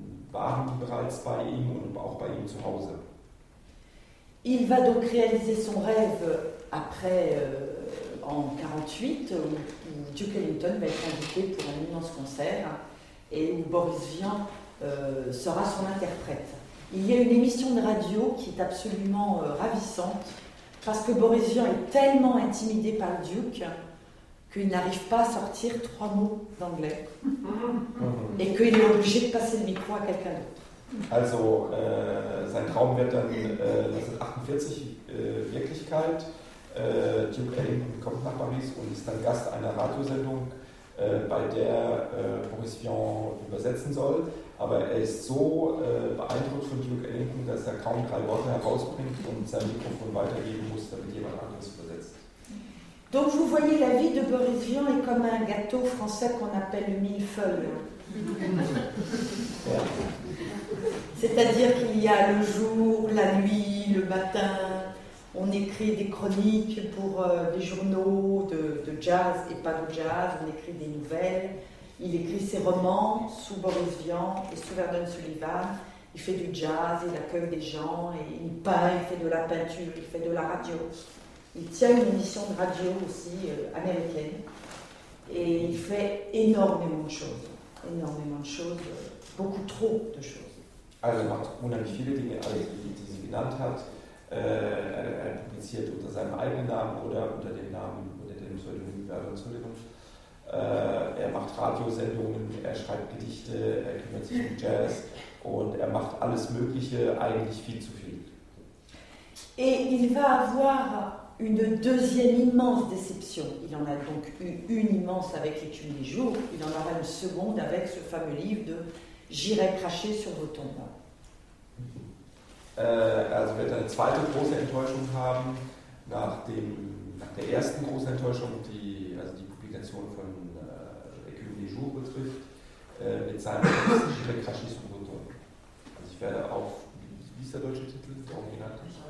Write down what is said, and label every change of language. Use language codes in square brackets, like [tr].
[de] Waren die bereits bei ihm und auch bei ihm zu Hause. [fr] Il va donc réaliser son rêve après en 48 où Duke Ellington va être invité pour un immense concert et où Boris Vian sera son interprète. Il y a une émission de radio qui est absolument ravissante parce que Boris Vian est tellement intimidé par Duke qu'il n'arrive pas à sortir trois mots d'anglais et qu'il est obligé de passer le micro à quelqu'un d'autre. [de] Also, sein Traum wird dann 1948 Wirklichkeit. Duke Ellington kommt nach Paris und ist dann Gast einer Radiosendung, bei der Boris Vian übersetzen soll. Aber er ist so beeindruckt von Duke Ellington, dass er kaum drei Worte herausbringt und sein Mikrofon weitergeben muss, damit jemand anderes übersetzt. [fr] Donc vous voyez, la vie de Boris Vian est comme un gâteau français qu'on appelle le millefeuille. C'est-à-dire qu'il y a le jour, la nuit, le matin, on écrit des chroniques pour des journaux de jazz et pas de jazz, on écrit des nouvelles, il écrit ses romans sous Boris Vian et sous Vernon Sullivan, il fait du jazz, il accueille des gens, et il peint, il fait de la peinture, il fait de la radio. Il tient une émission de radio aussi américaine et il fait énormément de choses, beaucoup trop de choses. [de] Also er macht unheimlich viele Dinge, die sie genannt hat. Er publiziert unter seinem eigenen Namen oder unter dem Namen, unter dem Pseudonym Vernon Sullivan. Er macht Radiosendungen, er schreibt Gedichte, er kümmert sich um Jazz und er macht alles Mögliche, eigentlich viel zu viel. [fr] Et il va avoir une deuxième immense déception. Il en a donc eu une immense avec l'étude des jours, il en aura une seconde avec ce fameux livre de J'irai cracher sur vos tombes. [de] Also wird eine zweite große Enttäuschung haben, nach der ersten großen Enttäuschung, die Publikation von L'Écume des Jours betrifft, mit seinem Text J'irai cracher sur vos tombes. Also ich werde auf, wie ist der deutsche Titel? Darum genannt.